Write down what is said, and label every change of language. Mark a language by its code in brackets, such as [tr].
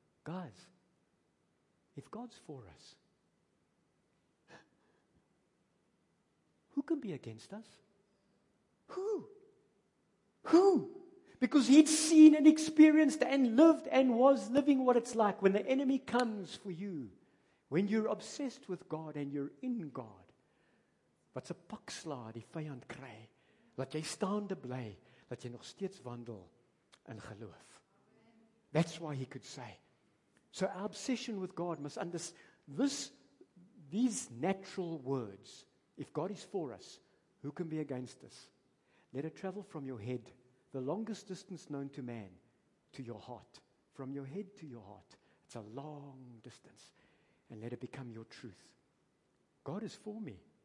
[en] Guys, if God's for us, who can be against us? Who? Who? Because he'd seen and experienced and lived and was living what it's like when the enemy comes for you, when you're obsessed with God and you're in God. [af] Wat 'n pak slaa die vyand kry, dat jy staande bly, dat jy nog steeds wandel in geloof. [en] That's why he could say. So our obsession with God must understand this, these natural words. If God is for us, who can be against us? Let it travel from your head, the longest distance known to man, to your heart. From your head to your heart. It's a long distance. And let it become your truth. God is for me.